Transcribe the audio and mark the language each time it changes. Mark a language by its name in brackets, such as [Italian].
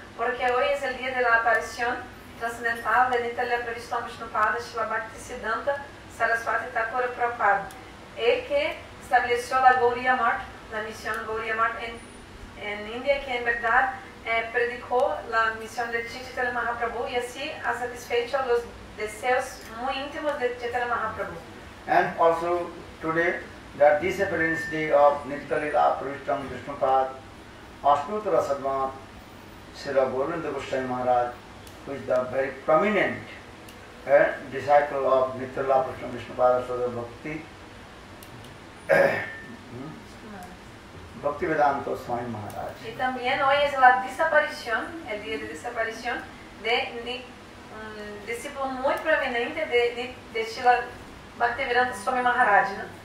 [Spanish] Porque hoy es el día de la aparición transcendental de Nitya Lila Pravishtam Vishnupada Srila Bhaktisiddhanta Saraswati Thakura Prabhupada, el que estableció la Gauriya Math, la misión Gauriya Math en India, que en verdad predicó la misión de Chaitanya Mahaprabhu y así ha satisfecho los deseos muy íntimos de Chaitanya Mahaprabhu. [English] And also today, the disappearance day of Nitya Lila Pravishtam Vishnupada Ashtutara Sadma Srila Govinda Goswami Maharaj, who is the very prominent disciple of Nitya Lila Pravishtam Vishnupada Saraswati Bhakti Bhakti Vedanta Swami Maharaj. [Spanish] Y también hoy es la desaparición, el día de desaparición de discípulo muy prominente de Srila Bhakti Vedanta Swami Maharaj, ¿no?